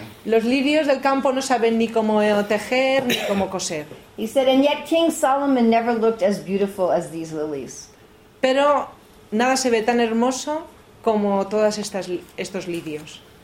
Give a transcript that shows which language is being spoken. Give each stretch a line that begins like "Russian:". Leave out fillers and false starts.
Spanish: Los lirios del campo no saben ni cómo tejer ni cómo coser.
English: He said, and yet King Solomon never looked as beautiful as these lilies.
Spanish: Pero nada se ve tan hermoso como todas estos lirios.